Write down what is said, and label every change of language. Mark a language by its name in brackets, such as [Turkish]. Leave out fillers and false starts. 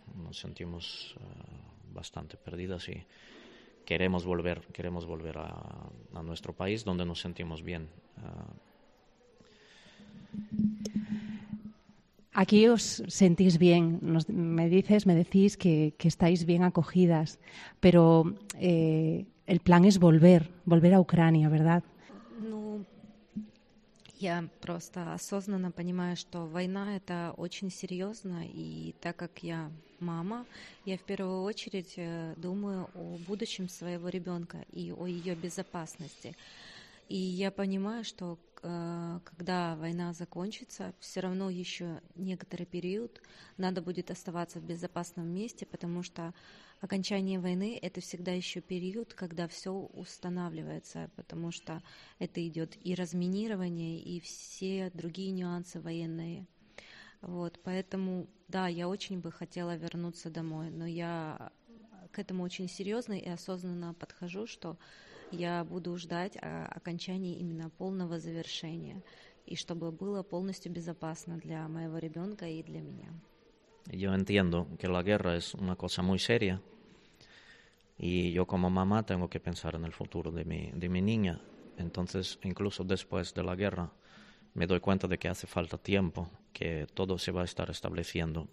[Spanish] Nos sentimos bastante perdidas y queremos volver a nuestro país donde nos sentimos bien. Aquí os sentís bien, me decís que estáis bien acogidas, pero el plan es volver a Ucrania, ¿verdad? [Russian] Я просто осознанно понимаю, что война — это очень серьезно, и так как я мама, я в первую очередь думаю о будущем своего ребенка и о ее безопасности. И я понимаю, что когда война закончится, все равно еще некоторый период надо будет оставаться в безопасном месте, потому что окончание войны — это всегда еще период, когда все устанавливается, потому что это идет и разминирование, и все другие нюансы военные. Вот, поэтому, да, я очень бы хотела вернуться домой, но я к этому очень серьезно и осознанно подхожу, что я буду ждать окончания именно полного завершения, и чтобы было полностью безопасно для моего ребенка и для меня. [Spanish] Yo entiendo que la guerra es una cosa muy seria y yo como mamá tengo que pensar en el futuro de mi niña. Entonces, incluso después de la guerra, me doy cuenta de que hace falta tiempo, que todo se va a estar estableciendo.